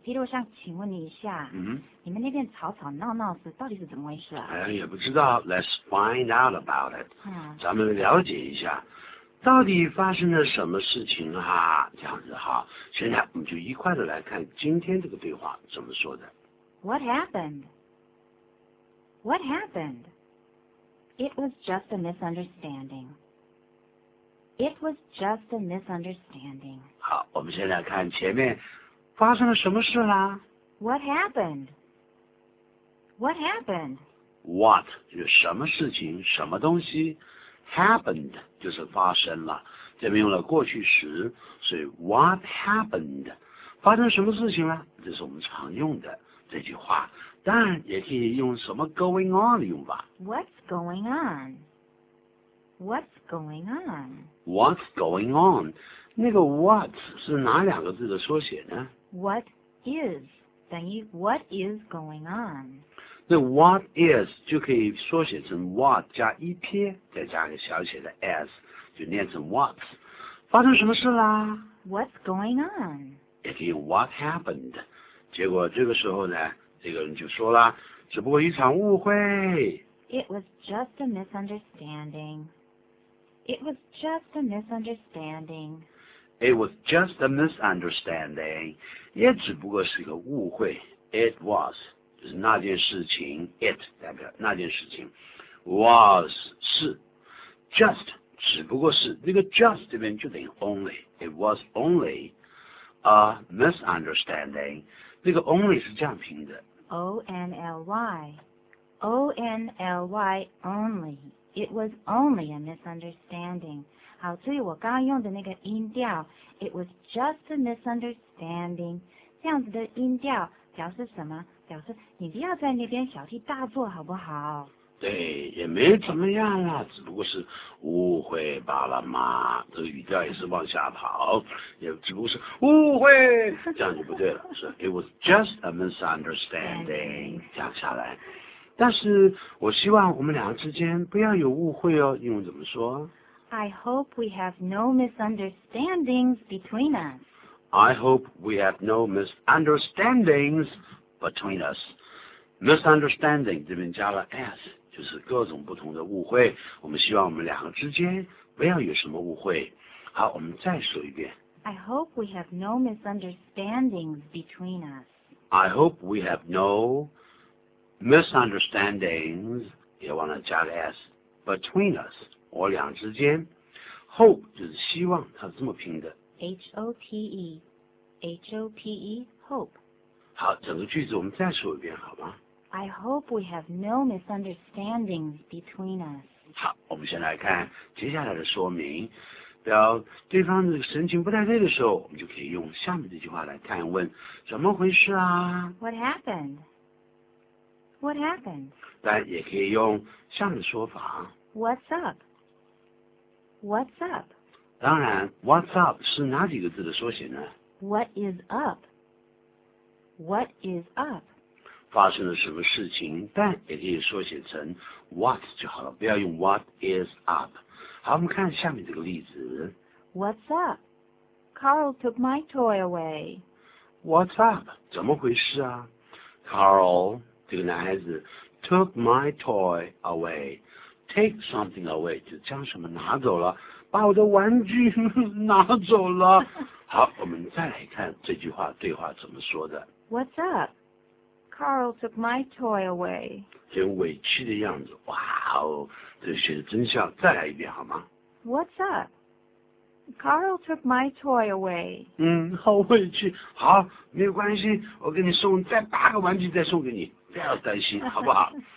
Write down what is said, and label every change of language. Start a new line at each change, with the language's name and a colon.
Chinese: Peter, 我想请问你一下，你们那边吵吵闹闹是到底是怎么回事啊？哎，也不知道。
English: Let's find out about it.
Chinese: 咱们了解一下，到底发生了什么事情啊？这样子哈，现在我们就一块的来看今天这个对话怎么说的。
English: What happened? What happened? It was just a misunderstanding. It was just a misunderstanding.
Chinese: 好，我们先来看前面发生了什么事啦。
English: What happened? What happened?
Chinese: What 就是什么事情，什么东西。Happened 就是发生了，这边用了过去时，所以
English: What happened?
Chinese: 发生什么事情了？这是我们常用的这句话。当然也可以用什么
English: going on
Chinese: 用吧。
English: What's going on? What's going on? What's going on?
Chinese: 那个 what 是哪两个字的缩写呢？
English: What is 等于 what is going on?
Chinese: 那 what is 就可以缩写成 what 加一撇，再加个小写的 s， 就念成 what。发生什么事啦？
English: What's going on?
Chinese: 也可以用
English: what happened。
Chinese: 结果这个时候呢，这个人就说了，只不过一场误会。
English: It was just a misunderstanding. It was just a misunderstanding. It was just a misunderstanding.
Chinese: 也只不过是个误会。 It was 就是那件事情。 It 代表那件事情。 Was 是 just 只不过是，那个 just 这边就等于 only。
English: It was only a misunderstanding.
Chinese: 那个 only 是这样拼的。
English: O-N-L-Y O-N-L-Y only. It was only a misunderstanding.
Chinese: 好，注意我刚用的那个音调，
English: It was just a misunderstanding.
Chinese: 这样子的音调表示什么？表示你不要在那边小题大做好不好？对，也没怎么样啦，只不过是误会罢了嘛。这个语调也是往下跑，也只不过是误会，这样就不对了。
English: 是 It was just a misunderstanding，
Chinese: 这样下来。但是我希望我们两个之间不要有误会哦。英文怎么说？
English: I hope we have no misunderstandings between us. I hope we have no misunderstandings between us.
Chinese: Misunderstanding 这边加了 s， 就是各种不同的误会。我们希望我们两个之间不要有什么误会。好，我们再说一遍。
English: I hope we have no misunderstandings between us. I hope we have no misunderstandings.
Chinese: 别忘了加个 s，
English: between us，
Chinese: 我俩之间。 Hope 就是希望，它是这么拼的。
English: H O P E， H O P E， hope。
Chinese: 好，整个句子我们再说一遍，好吗？
English: I hope we have no misunderstandings between us.
Chinese: 好，我们先来看接下来的说明。表对方的神情不太对的时候，我们就可以用下面这句话来探问，怎么回事啊？
English: What happened? What happened?
Chinese: 但也可以用下面的说法。
English: What's up? What's up?
Chinese: 当然 ,What's up 是哪几个字的缩写呢？
English: What is up? What is up?
Chinese: 发生了什么事情，但也可以缩写成 what 就好了，不要用 what is up。好，我们看下面这个例子。
English: What's up? Carl took my toy away. What's up?
Chinese: 怎么回事啊？
English: Carl
Chinese: 这个男孩子
English: took my toy away. Take something away
Chinese: 就将什么拿走了，把我的玩具拿走了。好，我们再来看这句话对话怎么说的。
English: What's upCarl took my toy away.
Chinese: 很委屈的样子，哇哦，这写的真像，再来一遍好吗？
English: What's up? Carl took my toy away.
Chinese: 嗯，好委屈，好，没有关系，我给你送再八个玩具再送给你，不要担心，好不好？